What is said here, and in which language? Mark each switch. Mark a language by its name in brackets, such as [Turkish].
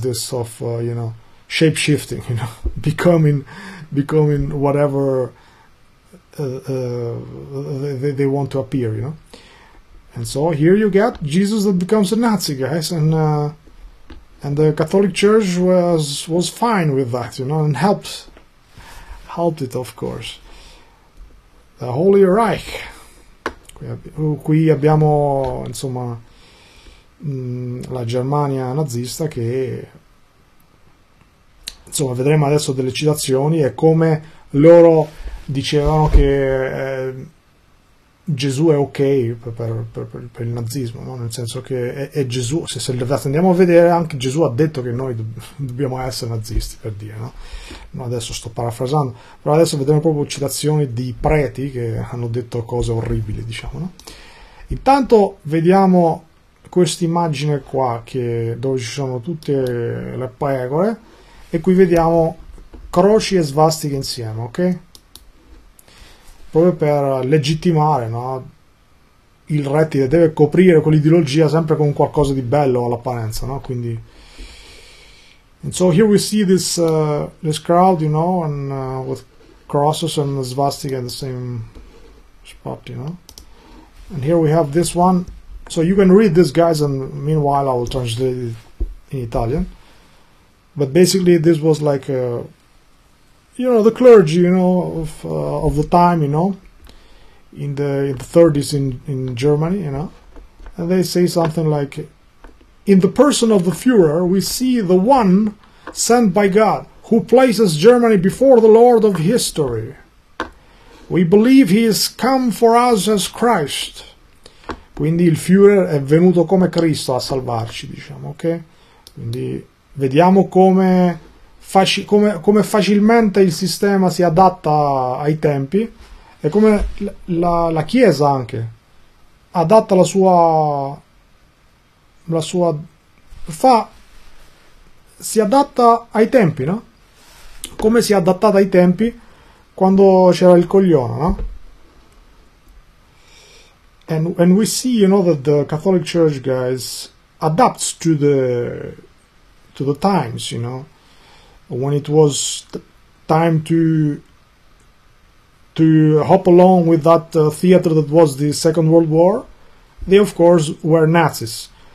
[English] This of shape shifting, becoming whatever they want to appear, And so here you get Jesus that becomes a Nazi, guys, and the Catholic Church was fine with that, and helped it, of course. The Holy Reich. [Italian] Qui abbiamo, insomma, la Germania nazista che, insomma, vedremo adesso delle citazioni e come loro dicevano che Gesù è ok per il nazismo, no? Nel senso che è Gesù, se andiamo a vedere, anche Gesù ha detto che noi dobbiamo essere nazisti, per dire, no? Ma adesso sto parafrasando, però adesso vedremo proprio citazioni di preti che hanno detto cose orribili, diciamo, no? Intanto vediamo questa immagine qua, che, dove ci sono tutte le pecore, e qui vediamo croci e svastiche insieme, ok? Proprio per legittimare, no? Il rettile deve coprire quell'ideologia sempre con qualcosa di bello all'apparenza, no? [English] Quindi, and so here we see this crowd, with crosses and the swastika in the same spot, And here we have this one. So you can read this, guys, and meanwhile I will translate it in Italian. But basically this was like the clergy, of the time, in the 30s in Germany, and they say something like, "In the person of the Führer, we see the one sent by God who places Germany before the Lord of history. We believe he is come for us as Christ." [Italian] Quindi il Führer è venuto come Cristo a salvarci, diciamo, ok? Quindi vediamo come facilmente il sistema si adatta ai tempi. E come la Chiesa anche adatta la sua fa si adatta ai tempi, no? Come si è adattata ai tempi quando c'era il coglione, no? [English] And we see, that the Catholic Church, guys, adapts to the times, when it was time to hop along with that theater that was the Second World War, they of course were Nazis.